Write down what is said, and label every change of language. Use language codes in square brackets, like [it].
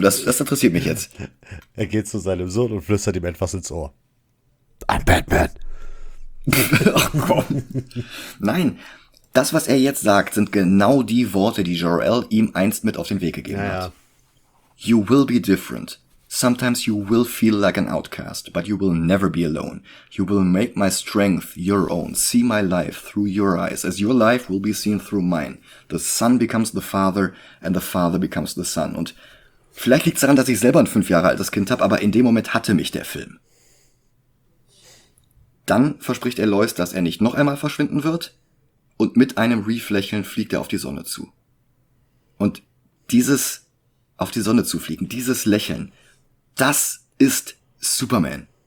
[de] Das interessiert mich jetzt. Er geht zu seinem Sohn und flüstert ihm etwas ins Ohr. [en] I'm Batman. [de] Ach komm. Nein, das, was er jetzt sagt, sind genau die Worte, die Jor-El ihm einst mit auf den Weg gegeben hat. [en] You will be different. Sometimes you will feel like an outcast, but you will never be alone. You will make my strength your own. See my life through your eyes, as your life will be seen through mine. The son becomes the father, and the father becomes the son. [de] Und vielleicht liegt es daran, dass ich selber ein 5 Jahre altes Kind habe, aber in dem Moment hatte mich der Film. Dann verspricht er Lois, dass er nicht noch einmal verschwinden wird, und mit einem Reef-Lächeln fliegt er auf die Sonne zu. Und dieses auf die Sonne zu fliegen, dieses Lächeln, das ist Superman.